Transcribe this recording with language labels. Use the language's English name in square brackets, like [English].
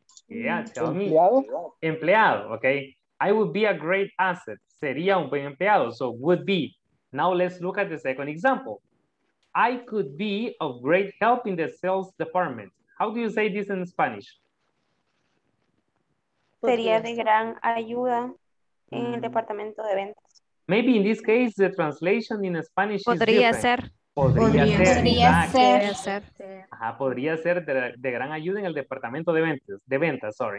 [English] Empleado, okay. I would be a great asset. [Spanish] Sería un buen empleado. [English] So would be. Now let's look at the second example. I could be of great help in the sales department. How do you say this in Spanish? [Spanish] Sería de gran ayuda en el departamento de ventas. [English] Maybe in this case, the translation in Spanish is different. [Spanish] Podría ser de gran ayuda en el departamento de ventas.